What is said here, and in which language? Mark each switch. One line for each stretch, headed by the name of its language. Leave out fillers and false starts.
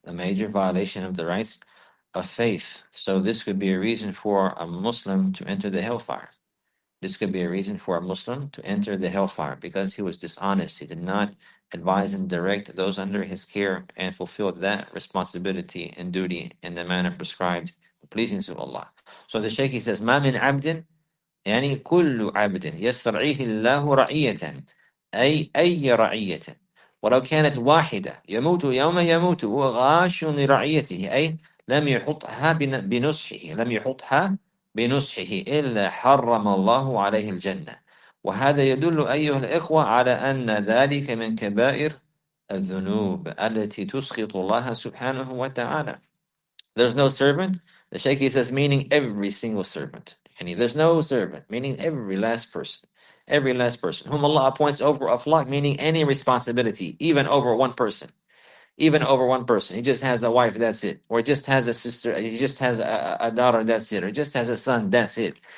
English: A major violation of the rights of faith. So this could be a reason for a Muslim to enter the hellfire. This could be a reason for a Muslim to enter the hellfire because he was dishonest. He did not advise and direct those under his care and fulfill that responsibility and duty in the manner prescribed, pleasing to Allah.
Arabic: So the Shaykh, he says, مَا مِنْ عَبْدٍ يعني كُلُّ عَبْدٍ يَسْرَعِيهِ اللَّهُ رَعِيَّةً أَيَّ رَعِيَّةً وَلَوْ كَانَتْ وَاحِدَةً يَمُوتُ يَوْمَ يَمُوتُ وَغَاشٌ لِرَعِيَّتِهِ أي لَمْ يُحُطْهَا بِنُصْحِهِ لَمْ يُحُطْهَا بنصحه إلا حرم الله عليه الجنة وهذا يدل أيها الإخوة على أن ذلك من كبائر الذنوب التي تسخط الله سبحانه وتعالى.
English: There's no servant. The Shaykh says meaning every single servant. Meaning there's no servant. Meaning every last person. Every last person whom Allah appoints over a flock. Meaning any responsibility, even over one person. Even over one person, he just has a wife, that's it. Or just has a sister, he just has a daughter, that's it. Or just has a son, that's it.